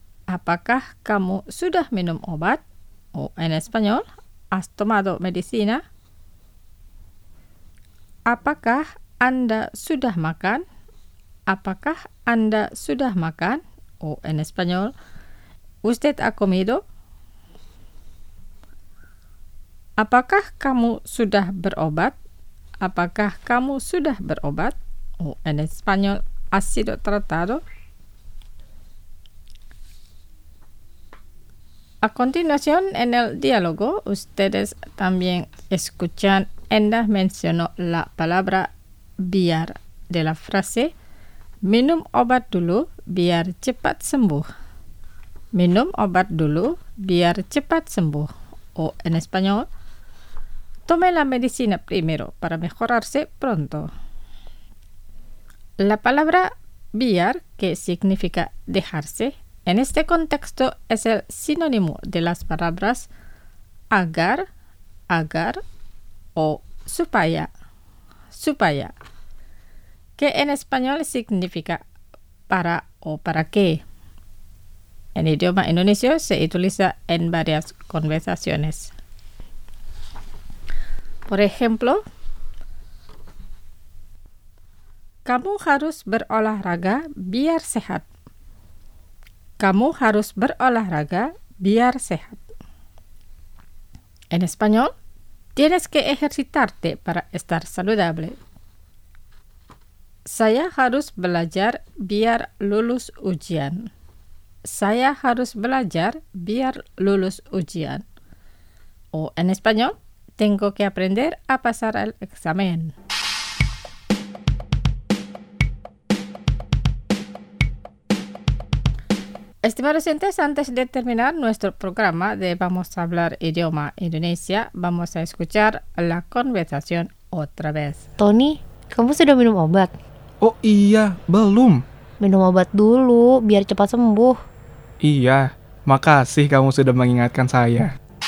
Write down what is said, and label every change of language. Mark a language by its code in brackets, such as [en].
[id] ¿Apakah kamu sudah minum obat? [es] O en español, ¿has tomado medicina? [id] ¿Apakah anda sudah makan? ¿Apakah anda sudah makan? [es] O en español, ¿usted ha comido? [id] ¿Apakah kamu sudah berobat? ¿Apakah kamu sudah berobat? [es] O en español, ¿has sido tratado? A continuación, en el diálogo, ustedes también escuchan, Endah mencionó la palabra biar de la frase [id] minum obat dulu biar cepat sembuh. Minum obat dulu biar cepat sembuh. [es] O en español, tome la medicina primero para mejorarse pronto. La palabra biar, que significa dejarse, en este contexto es el sinónimo de las palabras agar, agar o supaya, supaya, que en español significa para o para qué. En idioma indonesio se utiliza en varias conversaciones. Por ejemplo, [id] kamu harus berolahraga biar sehat. Kamu harus berolahraga biar sehat. [es] En español, tienes que ejercitarte para estar saludable. [id] Saya harus belajar biar lulus ujian. Saya harus belajar biar lulus ujian. [es] O en español, tengo que aprender a pasar el examen. Estimados oyentes, antes de terminar nuestro programa de Vamos a hablar idioma Indonesia, vamos a escuchar la conversación otra vez. Tony, ¿cómo se dominó obat? [id] Oh iya, belum. Minum obat dulu, biar cepat sembuh. Iya, makasih kamu sudah mengingatkan saya.